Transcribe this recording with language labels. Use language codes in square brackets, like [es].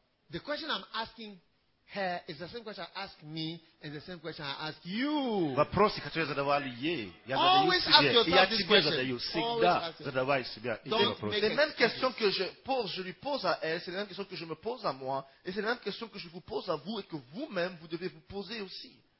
[en] The question I'm asking her is the same question I ask me and the same question I ask you. [ru] Вопросы, которые я задавал ей, я задаю [en] always [ru] себе, и я тебе [en] question. [ru] Задаю. Всегда задавай себе эти вопросы. [fr] Les mêmes questions que je pose, je lui pose à elle, c'est les mêmes questions que je me pose à moi, et c'est les mêmes questions que je vous pose à vous et que vous-même, vous devez vous poser aussi.